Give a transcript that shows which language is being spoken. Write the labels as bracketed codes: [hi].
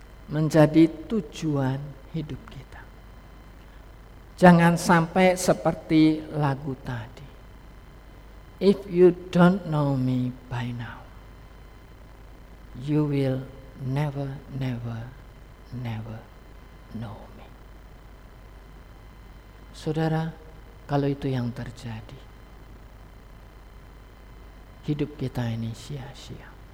[id] Menjadi tujuan hidup kita. Jangan sampai seperti lagu tadi. [en] If you don't know me by now, you will never, never, never know me. [id] Saudara, kalau itu yang terjadi, hidup kita ini sia-sia.